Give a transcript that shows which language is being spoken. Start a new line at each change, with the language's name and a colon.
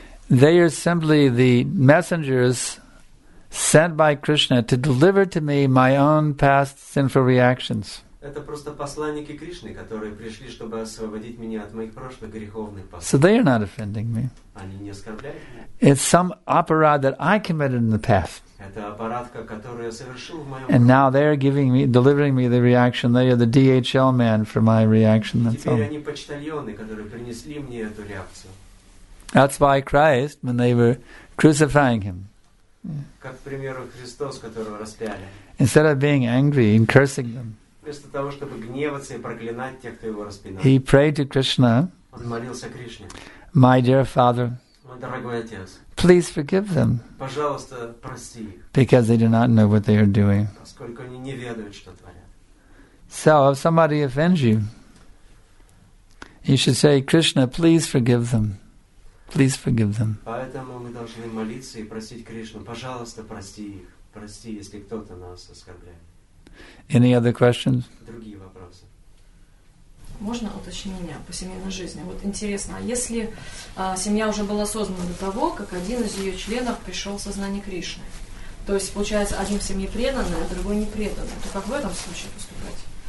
English: They are simply the messengers sent by Krishna to deliver to me my own past sinful reactions.
Russian: Это просто посланники Кришны, которые пришли, чтобы освободить меня от моих прошлых греховных поступков.
English: So they are not offending me.
Russian: Они не оскорбляют меня.
English: It's some apparat that I committed in the past.
Russian: Это аппаратка, которую я совершил в моем прошлом.
English: And now they are giving me, delivering me the reaction. They are the DHL man for my reaction.
Russian: И теперь они почтальоны, которые принесли мне эту реакцию.
English: That's why Christ, when they were crucifying him,
Russian: как, к примеру, Христос, которого распяли,
English: instead of being angry and cursing them,
Russian: вместо того, чтобы гневаться и проклинать тех, кто его распинал,
English: he prayed to Krishna,
Russian: он молился Кришне,
English: my dear father,
Russian: мой дорогой отец,
English: please forgive them,
Russian: пожалуйста, прости их,
English: because they do not know what they are doing.
Russian: Поскольку они не ведают, что творят.
English: So if somebody offends you, you should say, Krishna, please forgive them. Please forgive them.
Russian: Поэтому мы должны молиться и просить Кришну, пожалуйста, прости их, прости, если кто-то нас оскорбляет.
English: Any other questions?
Russian: Другие вопросы. Можно уточнение по семейной жизни? Вот интересно, а если семья уже была создана до того, как один из ее членов пришел в сознание Кришны, то есть получается, один в семье преданный, а другой не преданный, то как в этом случае поступать?